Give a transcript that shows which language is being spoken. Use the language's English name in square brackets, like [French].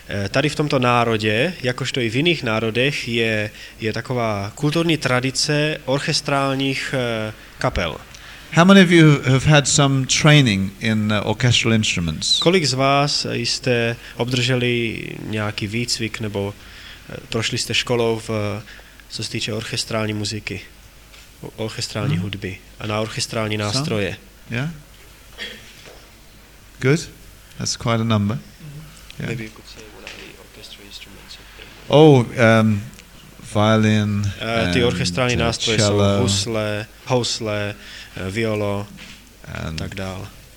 [Czech] Tady v tomto národě, jakožto i v jiných národech, je taková kulturní tradice orchestrálních kapel. [English] How many of you have had some training in orchestral instruments? [Czech] Kolik z vás jste obdrželi nějaký výcvik nebo prošli jste školou co se týče orchestrální muziky? Orchestrální hudby a na orchestrální nástroje. [English] Some? Yeah. Good. That's quite a number. Mm-hmm. Yeah. Maybe you could say what are the orchestral instruments? Violin. [Czech] Ty orchestrální nástroje [English] cello, [Czech] jsou housle, violo a tak dál.